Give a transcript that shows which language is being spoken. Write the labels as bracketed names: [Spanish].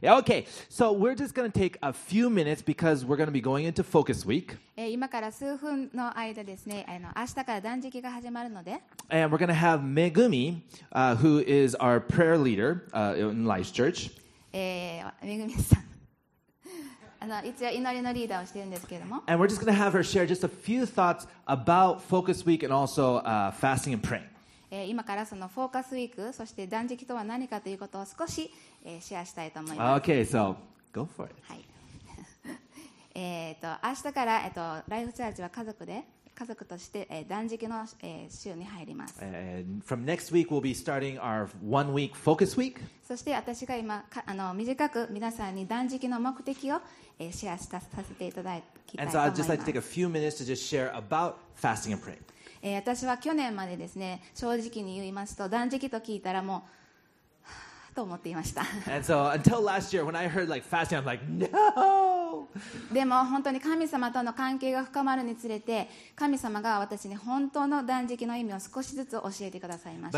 [English] Okay, so we're just going to take a few minutes because we're going to be going into Focus Week. [Japanese] 今から数分の間ですね、明日から断食が始まるので。 [English] And we're going to have Megumi, who is our prayer leader, in Life Church. [Japanese] Megumi さん。一応祈りのリーダーをしているんですけれども。 [English] And we're just going to have her share just a few thoughts about Focus Week and also, fasting and praying. [Japanese] 今からそのフォーカスウィーク、そして断食とは何かということを少し、シェアしたいと思います。 [English] Okay, so go for it. [Japanese] はい。明日から、ライフチャーチは家族として、断食の、週に入ります。 [English] From next week, we'll be starting our one-week focus week. [Japanese] そして私が今、短く皆さんに断食の目的を、シェアしたさせていただきたいと思います。 [English] And so I'd just like to take a few minutes to just share about fasting and praying. [Japanese] 私は去年までですね、正直に言いますと、断食と聞いたらもう、はぁと思っていました。 [English] And so, until last year, when I heard like fasting, I'm like, no! [Japanese] でも本当に神様との関係が深まるにつれて、神様が私に本当の断食の意味を少しずつ教えてくださいました。